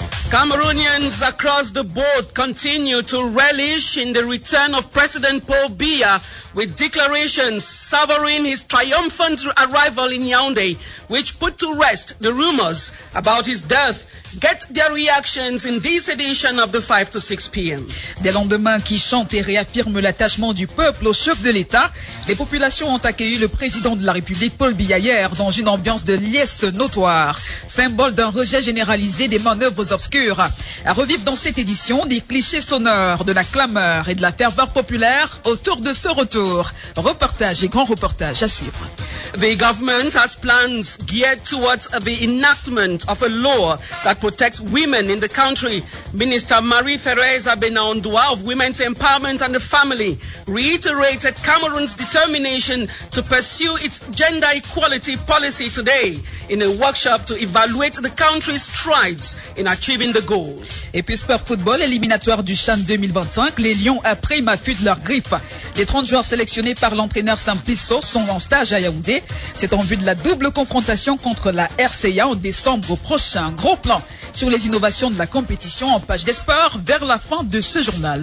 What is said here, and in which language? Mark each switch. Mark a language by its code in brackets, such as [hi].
[en] Cameroonians across the board continue to relish in the return of President Paul Biya with declarations savoring his triumphant arrival in Yaoundé, which put to rest the rumors about his death. Get their reactions in this edition of the 5 to 6 p.m. [fr] Des lendemains qui chantent et réaffirment l'attachement du peuple au chef de l'État, les populations ont accueilli le président de la République, Paul Biya, hier, dans une ambiance de liesse notoire, symbole d'un rejet généralisé des manœuvres obscures. À revivre dans cette édition des clichés sonores, de la clameur et de la ferveur populaire autour de ce retour. Reportage et grand reportage à suivre. [en] The government has plans geared towards the enactment of a law that protects women in the country. Minister Marie-Thérèse Abénandoua of Women's Empowerment and the Family reiterated Cameroon's determination to pursue its gender equality policy today in a workshop to evaluate the country's strides in achieving the goal. [fr] Et puis sport football, éliminatoire du CHAN 2025, les Lions après ma fuite de leur griffe. Les 30 joueurs sélectionnés par l'entraîneur Simplisso sont en stage à Yaoundé. C'est en vue de la double confrontation contre la RCA en décembre prochain. Gros plan sur les innovations de la compétition en page d'espoir vers la fin de ce journal.